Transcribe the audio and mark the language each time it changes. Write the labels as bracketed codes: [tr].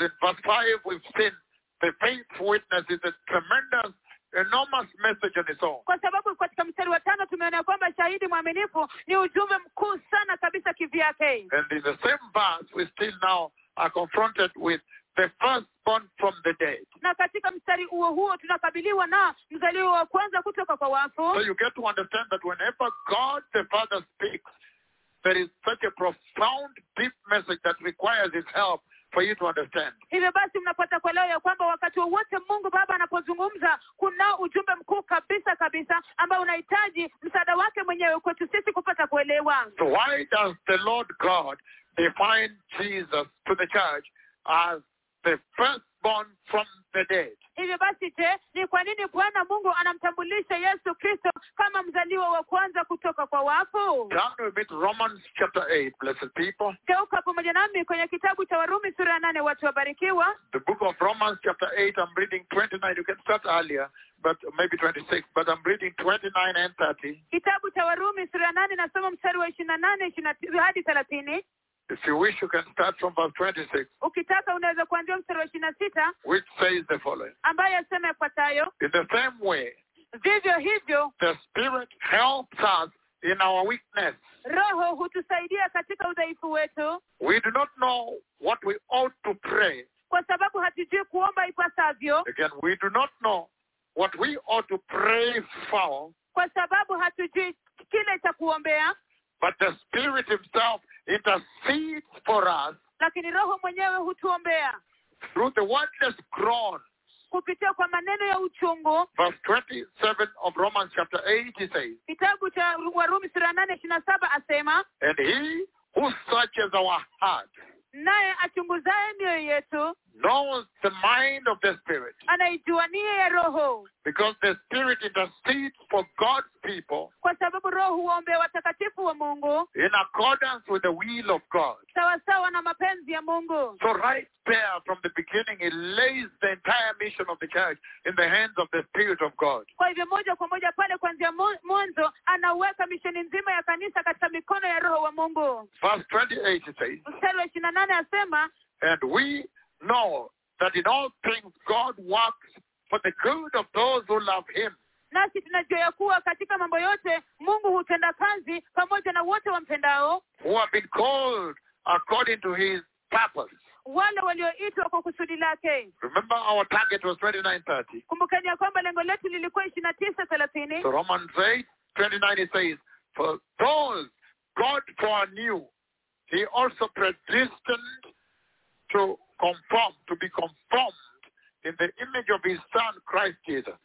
[en] in verse 5 we've seen the faithful witness is a tremendous, enormous message on its own. [sw] Kwa sababu katika mstari wa 5 tumeona kwamba shahidi mwaminifu ni ujumbe mkuu sana kabisa kivyake. [en] And in the same verse we still now are confronted with the firstborn from the dead. [sw] Na katika mstari huo huo tunakabiliwa na mzaliwa wa kwanza kutoka kwa wafu. [en] So you get to understand that whenever God the Father speaks, there is such a profound, deep message that requires his help for you to understand. [sw] Hivyo basi mnapata kuelewa ya kwamba wakati wote Mungu Baba anapozungumza kuna ujumbe mkuu kabisa kabisa ambao unahitaji msaada wake mwenyewe kwetu sisi kupata kuelewa. [en] So why does the Lord God define Jesus to the church as the firstborn from the dead? [sw] Hivyo basi je, ni kwa nini Bwana Mungu anamtambulisha Yesu Kristo kama mzaliwa wa kwanza kutoka kwa wafu? [en] Turn with me to Romans chapter 8, blessed people. [sw] Geuka pamoja nami kwenye kitabu cha Warumi sura ya 8, watu wabarikiwa. [en] The book of Romans chapter 8, I'm reading 29, you can start earlier, but maybe 26, but I'm reading 29 and 30. [sw] Kitabu cha Warumi sura ya 8, nasoma mstari wa 28 hadi 30. [en] If you wish, you can start from verse 26. [sw] Ukitaka unaweza kuanzia mstari wa 26. [en] Which says the following. [sw] Ambayo yasema yafuatayo. [en] In the same way. [sw] Vivyo hivyo. [en] The Spirit helps us in our weakness. [sw] Roho hutusaidia katika udhaifu wetu. [en] We do not know what we ought to pray. [sw] Kwa sababu hatujui kuomba ipasavyo. [en] Again, we do not know what we ought to pray for. [sw] Kwa sababu hatujui kile cha kuombea. [en] But the Spirit himself intercedes for us. [sw] Lakini roho mwenyewe hutuombea. [en] Through the wordless groan. [sw] Kupitia kwa maneno ya uchungu. [en] Verse 27 of Romans chapter 8 he says. [sw] Kitabu cha Warumi sura 8 27 asema. [en] And he who searches our hearts. [sw] Naye achunguzaye mioyo yetu. [en] Knows the mind of the Spirit. [sw] Anaijua nia ya roho. [en] Because the Spirit intercedes for God's people. [sw] Kwa sababu roho huombea watakatifu wa Mungu. [en] In accordance with the will of God. [sw] Sawasawa na mapenzi ya Mungu. [en] So right there from the beginning it lays the entire mission of the church in the hands of the Spirit of God. [sw] Kwa hivyo moja kwa moja pale kuanzia mwanzo anaweka misheni nzima ya kanisa katika mikono ya roho wa Mungu. [en] Verse 28 it says. [sw] Mstari wa 28 asema. [en] And we know that in all things God works for the good of those who love him. [sw] Nasi tunajua kuwa katika mambo yote Mungu hutenda kazi pamoja na wote wampendao. [en] Who have been called according to his purpose. [sw] Wale walioitwa kwa kusudi lake. [en] Remember our target was 29:30. [sw] Kumbukeni kwamba lengo letu lilikuwa 29:30. [en] So Romans 8:29 says, for those God foreknew, he also predestined to be conformed in the image of his son Christ Jesus.